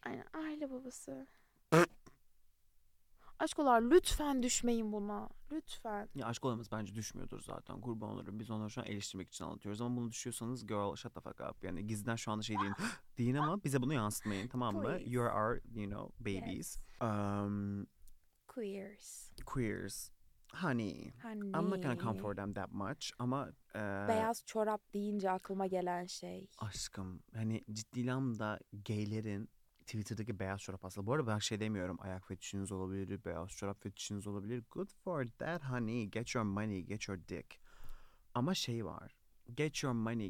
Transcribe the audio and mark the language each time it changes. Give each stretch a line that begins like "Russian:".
Turkish: Aynen, aile babası. Aşkolar lütfen düşmeyin buna. Lütfen. Ya aşkolarımız bence düşmüyordur zaten. Kurban olurum. Biz onları şu an eleştirmek için anlatıyoruz. Ama bunu düşüyorsanız
English: girl shut the fuck up.
Turkish: Yani gizliden şu anda şey deyin. Deyin ama bize bunu yansıtmayın, tamam mı?
English: You are our, you know, babies. Yes. Queers. Queers. Honey. I'm not gonna come for them that much.
Turkish: Ama beyaz çorap deyince aklıma gelen şey. Aşkım. Hani ciddi anlamda gaylerin Twitter'daki beyaz çorap aslında. Bu arada ben şey demiyorum. Ayak fetişiniz olabilir. Beyaz çorap fetişiniz olabilir.
English: Good for that honey. Get your money. Get your dick.
Turkish: Ama şey var.
English: Get your money.